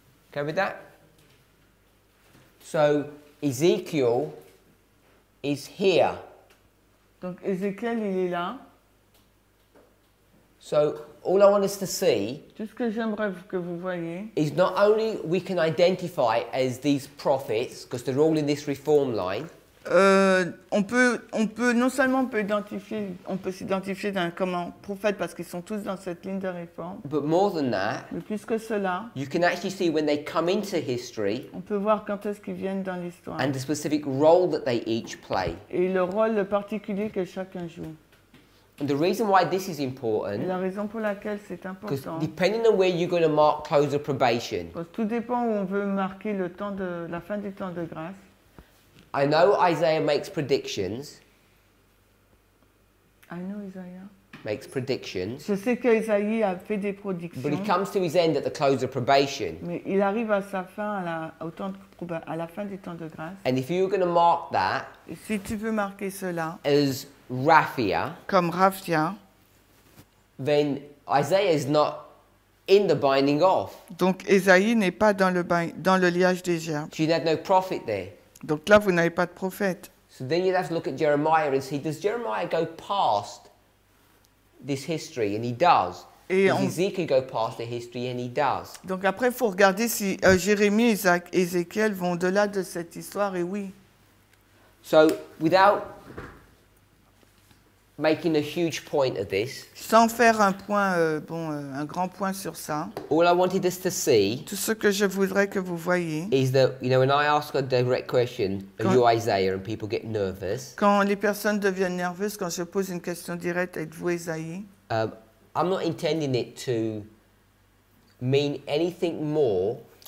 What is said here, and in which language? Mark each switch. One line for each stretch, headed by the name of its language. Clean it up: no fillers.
English: Okay with that? So, Ezekiel is here.
French: Donc, Ezekiel, il est là.
English: So, all I want us to see,
French: tout ce que j'aimerais que vous voyez,
English: is not only we can identify as these prophets, because they're all in this reform line.
French: On peut s'identifier dans, comme un prophète parce qu'ils sont tous dans cette ligne de réforme.
English: But more than that,
French: mais plus que cela,
English: you can actually see when they come into history,
French: on peut voir quand est-ce qu'ils viennent dans l'histoire,
English: and the specific role that they each play.
French: Et le rôle particulier que chacun joue.
English: And the reason why this is important,
French: la raison pour laquelle c'est important,
English: because depending on where you're going to mark close of probation,
French: parce tout dépend où on veut marquer le temps de la fin du temps de grâce.
English: I know Isaiah makes predictions. I know Isaiah makes predictions.
French: Je sais que Isaiah a fait des predictions.
English: But he comes to his end at the close of probation.
French: Mais il arrive à sa fin à la, au temps de, à la fin du temps de grâce.
English: And if you're going to mark that,
French: et si tu veux marquer cela,
English: as Raphia,
French: comme Raphia,
English: then Isaiah is not in the binding off.
French: Donc Isaiah n'est pas dans le dans le liage des gerbes.
English: So you had no prophet there.
French: Donc là, vous n'avez pas de prophète.
English: So then you have to look at Jeremiah and see, does Jeremiah go past this history? And he does.
French: Et
English: does Ezekiel go past the history? And he does.
French: Donc après, il faut regarder si Jérémie, Isaac, Ézéchiel vont au-delà de cette histoire, et oui.
English: So, without making a huge point of this,
French: sans faire un point, un grand point sur ça,
English: all I wanted us to see,
French: tout ce que je voudrais que vous voyez,
English: is that, you know, when I ask a direct question, quand, are you Isaiah, and people get nervous,
French: quand les personnes deviennent nerveuses, quand je pose une question directe, êtes-vous Isaïe?
English: I'm not intending it to mean anything more.